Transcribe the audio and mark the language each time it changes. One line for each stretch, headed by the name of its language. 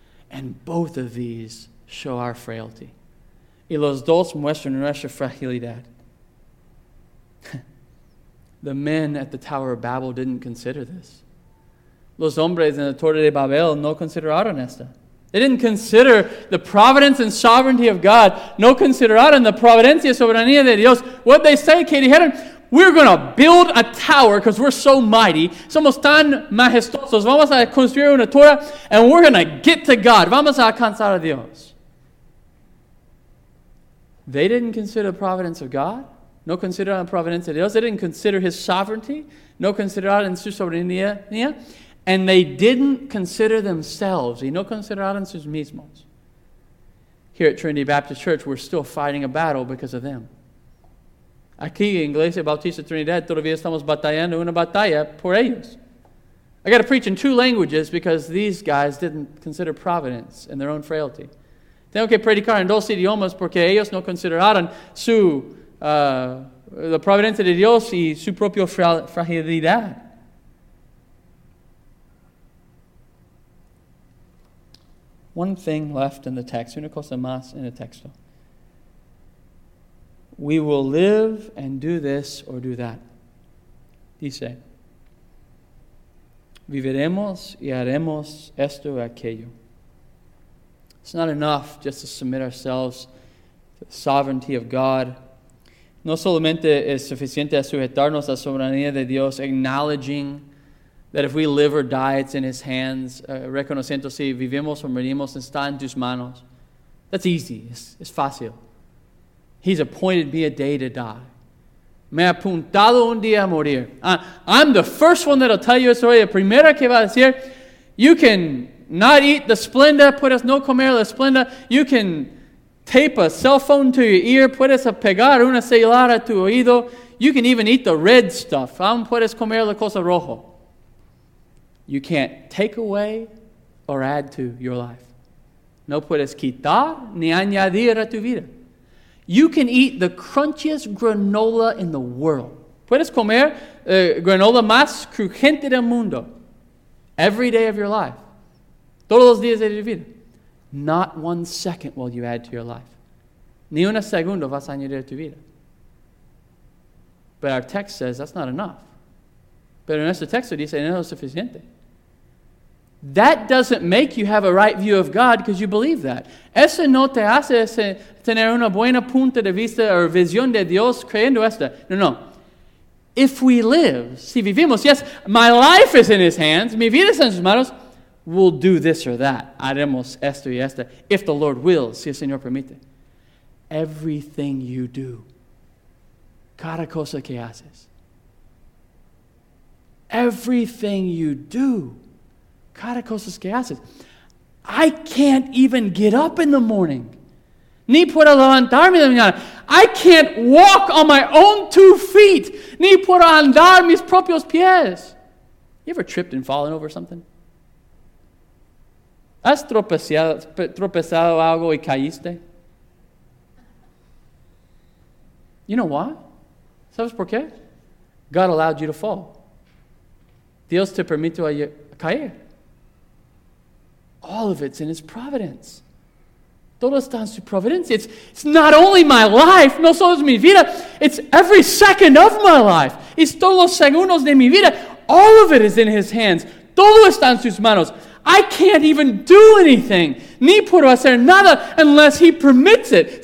English: And both of these show our frailty.
Spanish: Y los dos muestran nuestra fragilidad.
English: The men at the Tower of Babel didn't consider this.
Spanish: Los hombres en la Torre de Babel no consideraron esta.
English: They didn't consider the providence and sovereignty of God.
Spanish: No consideraron la providencia soberanía de Dios.
English: What they say, Katie Heron, we're going to build a tower because we're so mighty.
Spanish: Somos tan majestuosos. Vamos a construir una torre
English: and we're going to get to God.
Spanish: Vamos a alcanzar a Dios.
English: They didn't consider the providence of God.
Spanish: No consideraron la providencia de Dios.
English: They didn't consider His sovereignty.
Spanish: No consideraron su soberanía.
English: And they didn't consider themselves.
Spanish: Y no consideraron sus mismos.
English: Here at Trinity Baptist Church, we're still fighting a battle because of them.
Spanish: Aquí en Iglesia Bautista Trinidad todavía estamos batallando una batalla por ellos.
English: I got to preach in two languages because these guys didn't consider providence and their own frailty.
Spanish: Tengo que predicar en dos idiomas porque ellos no consideraron su la providencia de Dios y su propia fragilidad.
English: One thing left in the text,
Spanish: una cosa más en el texto.
English: We will live and do this or do that.
Spanish: Dice, viviremos y haremos esto o aquello.
English: It's not enough just to submit ourselves to the sovereignty of God.
Spanish: No solamente es suficiente sujetarnos a la soberanía de Dios,
English: acknowledging that if we live or die, it's in His hands.
Spanish: Reconociendo si vivimos o morimos, está en tus manos.
English: That's easy. It's fácil. He's appointed me a day to die.
Spanish: Me ha apuntado un día a morir.
English: I'm the first one that'll tell you a story.
Spanish: La primera que va a decir,
English: you can not eat the Splenda,
Spanish: puedes no comer la Splenda.
English: You can tape a cell phone to your ear,
Spanish: puedes pegar una celular a tu oído.
English: You can even eat the red stuff.
Spanish: Aún puedes comer la cosa rojo.
English: You can't take away or add to your life.
Spanish: No puedes quitar ni añadir a tu vida.
English: You can eat the crunchiest granola in the world.
Spanish: Puedes comer granola más crujiente del mundo.
English: Every day of your life.
Spanish: Todos los días de tu vida.
English: Not one second will you add to your life.
Spanish: Ni una segunda vas a añadir a tu vida.
English: But our text says that's not enough.
Spanish: Pero nuestro texto dice, no es suficiente.
English: That doesn't make you have a right view of God because you believe that.
Spanish: Eso no te hace tener una buena punta de vista o visión de Dios creyendo esto. No, no.
English: If we live,
Spanish: si vivimos,
English: yes, my life is in his hands,
Spanish: mi vida está en sus manos,
English: we'll do this or that.
Spanish: Haremos esto y esto,
English: if the Lord wills,
Spanish: si el Señor permite.
English: Everything you do,
Spanish: cada cosa que haces,
English: everything you do, cada cosa que haces. I can't even get up in the morning.
Spanish: Ni puedo levantarme de mañana.
English: I can't walk on my own two feet.
Spanish: Ni puedo andar mis propios pies.
English: You ever tripped and fallen over something?
Spanish: ¿Has tropezado algo y caíste?
English: You know why?
Spanish: ¿Sabes por qué?
English: God allowed you to fall.
Spanish: Dios te permitió caer.
English: All of it's in his providence.
Spanish: Todo está en su providencia.
English: It's not only my life,
Spanish: no solo es mi vida,
English: it's every second of my life.
Spanish: Es todos los segundos de mi vida.
English: All of it is in his hands.
Spanish: Todo está en sus manos.
English: I can't even do anything.
Spanish: Ni puedo hacer nada
English: unless he permits it.